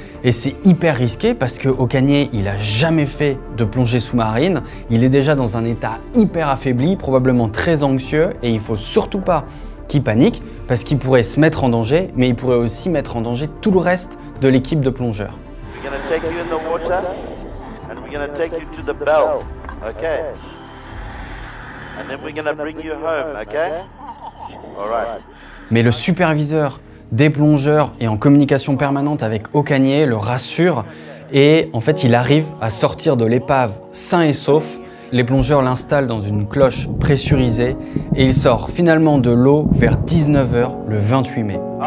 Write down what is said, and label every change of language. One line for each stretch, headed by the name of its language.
French: Et c'est hyper risqué parce que Okaniye, il a jamais fait de plongée sous-marine. Il est déjà dans un état hyper affaibli, probablement très anxieux et il faut surtout pas qu'il panique parce qu'il pourrait se mettre en danger, mais il pourrait aussi mettre en danger tout le reste de l'équipe de plongeurs.
English: We're gonna take you in the water and we're gonna take you to the bell, okay? And then we're gonna bring you home, okay? All right.
French: Mais le superviseur des plongeurs et en communication permanente avec Okaniye le rassure et en fait il arrive à sortir de l'épave sain et sauf. Les plongeurs l'installent dans une cloche pressurisée et il sort finalement de l'eau vers 19h le 28 mai.